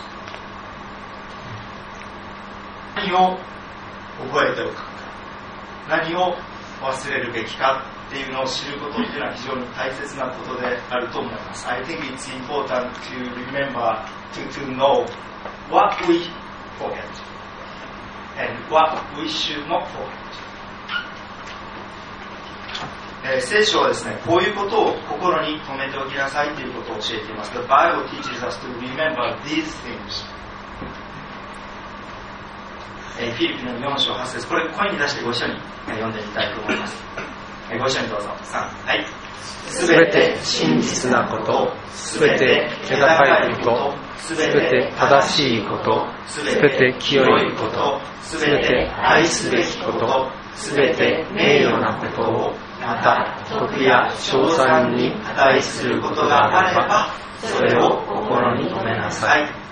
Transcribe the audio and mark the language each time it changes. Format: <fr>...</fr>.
<en>What</en> <ja>を覚えておくか、何を忘れるべきかっていうのを知ることっていうのは非常に大切なことであると思います。</ja> <en>I think it's important to remember to know what we forget and what we should not forget.</en> <ja>聖書はですね、こういうことを心に留めておきなさいということを教えています。</ja> <en>The Bible teaches us to remember these things.</en> <ja>フィリピンの4章8節、これ声に出してご一緒に読んでみたいと思います。ご一緒にどうぞ。3、はい。すべて真実なこと、すべて気高いこと、すべて正しいこと、すべて清いこと、すべて愛すべきこと、すべて名誉なことを、また徳や称賛に値することがあれば、それを心に留めなさい。</ja>